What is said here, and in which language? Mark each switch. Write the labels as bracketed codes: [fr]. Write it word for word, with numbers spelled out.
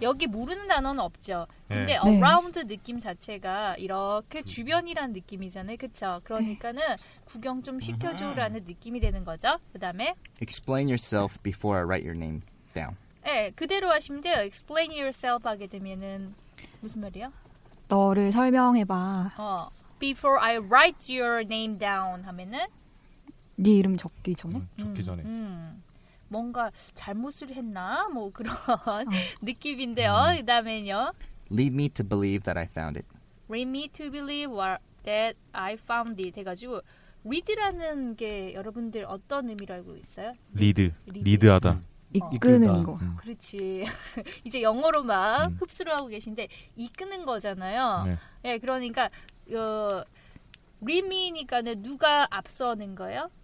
[ko] 여기 모르는 단어는 없죠. 근데 예. around 느낌 자체가 이렇게 주변이란 느낌이잖아요. 그렇죠? 그러니까는 구경 좀 시켜줘라는 느낌이 되는 거죠. 그 다음에 [en] Explain yourself before I write your name down. [ko] 예, 그대로 하시면 돼요. [en] Explain yourself [ko] 하게 되면은 무슨 말이에요? 너를 설명해봐. [en] 어, Before I write your name down [ko] 하면은 네 이름 적기 전에? 음, 적기 전에. 음, 음. 뭔가 잘못을 했나? 뭐 그런 어. 느낌인데요. 음. 그 다음에는요. [en] Lead me to believe that I found it. Lead me to believe that I found it. [ko] 해가지고 lead라는 게 여러분들 어떤 의미로 알고 있어요? Lead. lead하다. 음. 이끄는 거. 음. 그렇지. 이제 영어로 막 음. 흡수를 하고 계신데 이끄는 거잖아요. 네. 네, 그러니까 어, [en] lead me [ko] 니까는 누가 앞서는 거예요?